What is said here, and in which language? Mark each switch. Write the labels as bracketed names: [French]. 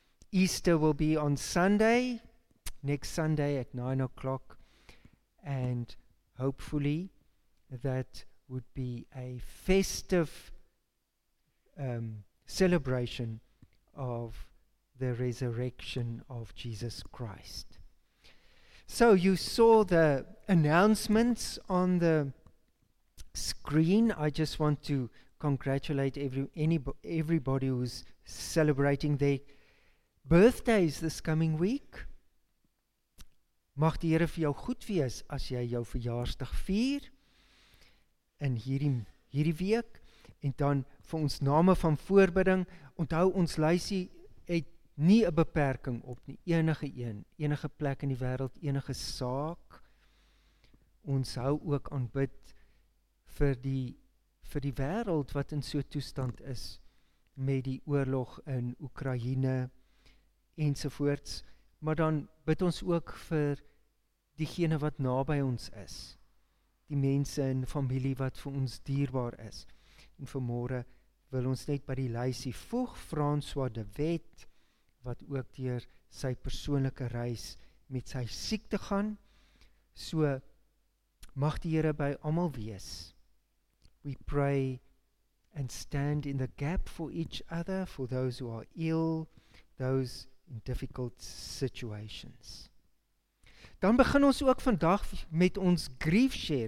[English] Easter will be on Sunday, next Sunday at 9:00, and hopefully that would be a festive celebration of the resurrection of Jesus Christ. So you saw the announcements on the screen. I just want to congratulate everybody who's celebrating their birthdays this coming week. [Afrikaans] Mag die Here vir jou goed wees as jy jou verjaarsdag vier in hierdie week. En dan vir ons name van voorbidding, onthou ons lysie het nie 'n beperking op nie. Enige een, enige plek in die wêreld, enige saak. Ons hou ook aanbid vir die wêreld wat in so 'n toestand is met die oorlog in Oekraïne ensovoorts, maar dan bid ons ook vir diegene wat naby ons is, die mense en familie wat vir ons dierbaar is. En vanmorgen wil ons net by die lysie voeg François de Wet, wat ook deur sy persoonlike reis met sy siekte gaan. So mag die Here by almal wees. [English] We pray and stand in the gap for each other, for those who are ill, those in difficult situations. [Afrikaans] Dan begin ons ook vandag met ons Grief Share.